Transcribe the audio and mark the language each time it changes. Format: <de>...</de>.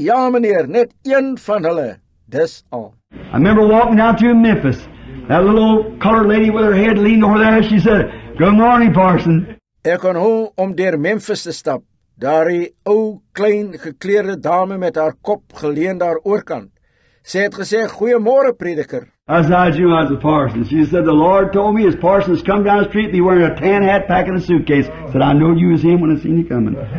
<af>Ja, meneer, net een van hulle, dis al.</af> <en>I remember walking down to Memphis. That little colored lady with her head leaned over there, she said, good morning, parson.</en> <af>Ek kon hoor om deur Memphis te stap, daar die ou klein gekleerde dame met haar kop geleen daar oorkant. Sy het gesê, goeiemôre, prediker.</af> <en>As I knew I was a parson. She said, the Lord told me his parson has come down the street and he's wearing a tan hat packing a suitcase. Said, I know you was him when I seen you coming.</en>